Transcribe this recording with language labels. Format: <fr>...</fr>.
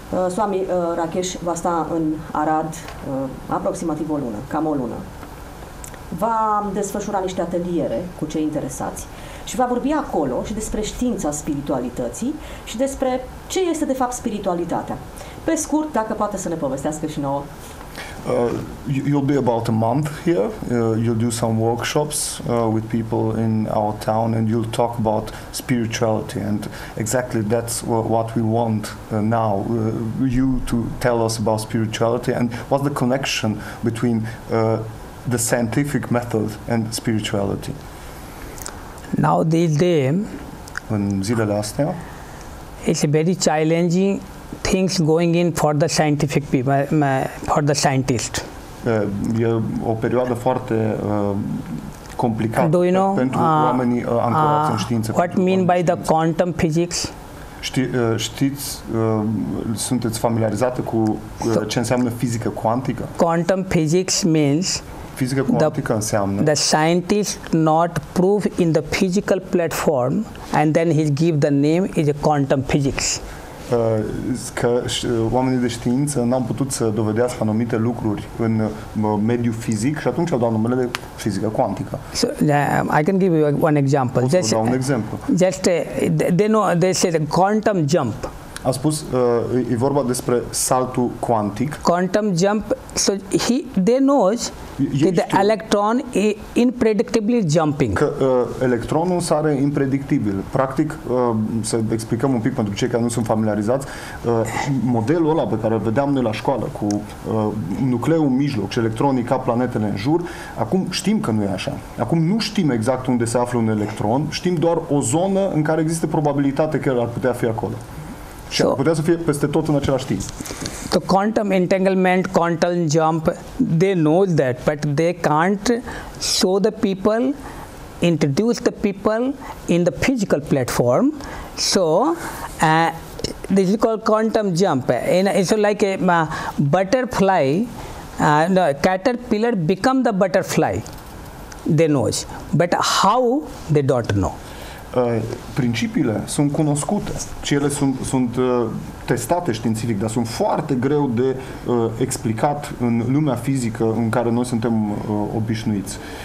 <ro>Swami Rakesh va sta în Arad aproximativ o lună, cam o lună. Va desfășura niște ateliere cu cei interesați și va vorbi acolo și despre știința spiritualității și despre ce este de fapt spiritualitatea. Pe scurt, dacă poate să ne povestească și nouă.</ro> <en>You'll be about a month here. You'll do some workshops with people in our town, and you'll talk about spirituality. And exactly that's what we want now, you to tell us about spirituality and what's the connection between the scientific method and spirituality. Now these days,</en> <ro>in zilele astea,</ro> <en>it's a very challenging things going in for the scientific people, for the scientist.</en> <ro>E o perioadă foarte complicată pentru oamenii ancorați în știință.</ro> <en>What mean by the quantum physics?</en> <ro>Știți, sunteți familiarizate cu ce înseamnă fizică cuantică?</ro> <en>Quantum physics means</en> <ro>fizică cuantică înseamnă</ro> <en>the scientist not prove in the physical platform and then he give the name is a quantum physics.</en> <ro>Că oamenii de știință n-au putut să dovedească anumite lucruri în mediul fizic și atunci au dat numele de fizică cuantică.</ro> <en>So, I can give you one example.</en> <ro>Pot să dau un exemplu.</ro> <en>Just they said quantum jump.</en> <ro>A spus, e vorba despre saltul cuantic.</ro> <en>Quantum jump, so they know that the electron is unpredictably jumping.</en> <ro>Că electronul sare impredictibil. Practic, să explicăm un pic pentru cei care nu sunt familiarizați, modelul ăla pe care îl vedeam noi la școală cu nucleul în mijloc și electronii ca planetele în jur, acum știm că nu e așa. Acum nu știm exact unde se află un electron, știm doar o zonă în care există probabilitate că el ar putea fi acolo. Și so, putea să fie peste tot în același timp.</ro> <en>The quantum entanglement, quantum jump, they know that, but they can't show the people, introduce the people in the physical platform. So, this is called quantum jump. It's like a butterfly, caterpillar become the butterfly, they know. But how, they don't know.</en> <ro>Principiile sunt cunoscute și ele sunt testate științific, dar sunt foarte greu de explicat în lumea fizică în care noi suntem obișnuiți.</ro>